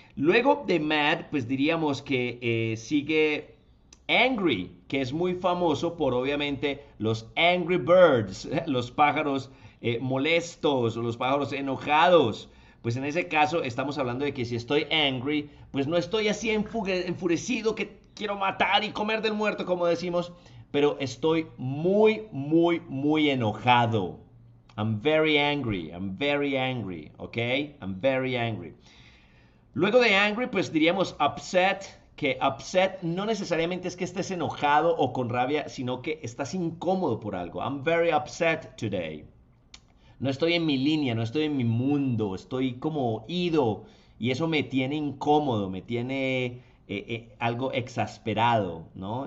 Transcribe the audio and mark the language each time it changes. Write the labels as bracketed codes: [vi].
[es] Luego de mad, pues diríamos que sigue angry, que es muy famoso por obviamente los angry birds, los pájaros molestos o los pájaros enojados. Pues en ese caso estamos hablando de que si estoy angry, pues no estoy así enfurecido que quiero matar y comer del muerto, como decimos, pero estoy muy, muy, muy enojado. [en] I'm very angry, I'm very angry, ok, I'm very angry. [es] Luego de angry, pues diríamos upset, que upset no necesariamente es que estés enojado o con rabia, sino que estás incómodo por algo. I'm very upset today. No estoy en mi línea, no estoy en mi mundo, estoy como ido y eso me tiene incómodo, me tiene algo exasperado, ¿no?